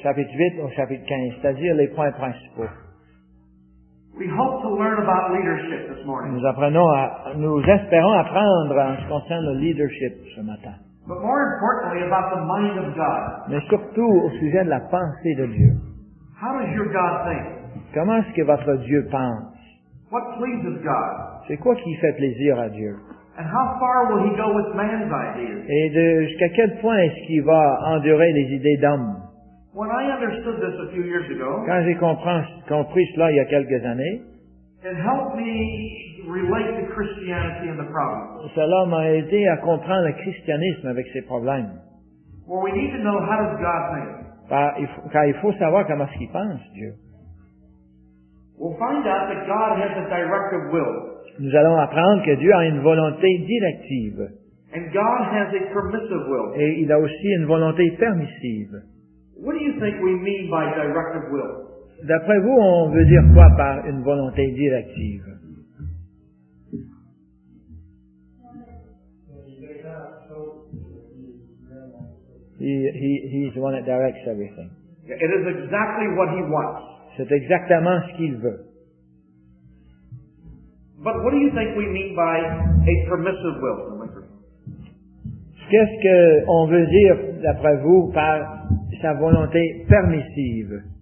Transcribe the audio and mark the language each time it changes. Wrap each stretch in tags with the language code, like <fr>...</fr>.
<fr>Chapitre 8 au chapitre 15, c'est-à-dire les points principaux.</fr> <en>We hope to learn about leadership this morning.</en> <fr>Nous espérons apprendre en ce qui concerne le leadership ce matin.</fr> <en>But more importantly, about the mind of God.</en> <fr>Mais surtout au sujet de la pensée de Dieu.</fr> <en>How does your God think?</en> <fr>Comment est-ce que votre Dieu pense?</fr> <en>What pleases God?</en> <fr>C'est quoi qui fait plaisir à Dieu?</fr> <en>And how far will he go with man's ideas?</en> <fr>Et jusqu'à quel point est-ce qu'il va endurer les idées d'homme?</fr> <en>When I understood this a few years ago,</en> <fr>quand j'ai compris cela il y a quelques années,</fr> <en>it helped me relate to Christianity and the problems.</en> <fr>Cela m'a aidé à comprendre le christianisme avec ses problèmes.</fr> <en>Well, we need to know how does God think.</en> <fr>Car il faut savoir comment est-ce qu'il pense, Dieu.</fr> <en>We'll find out that God has a directive will.</en> <fr>Nous allons apprendre que Dieu a une volonté directive.</fr> <en>And God has a permissive will.</en> <fr>Et il a aussi une volonté permissive.</fr> <en>What do you think we mean by directive will?</en> <fr>D'après vous, on veut dire quoi par une volonté directive?</fr> <en>He's the one that directs everything. It is exactly what he wants.</en> <fr>C'est exactement ce qu'il veut.</fr> <en>But what do you think we mean by a permissive will?</en> <fr>Qu'est-ce qu'on veut dire, d'après vous, par sa volonté permissive?</fr>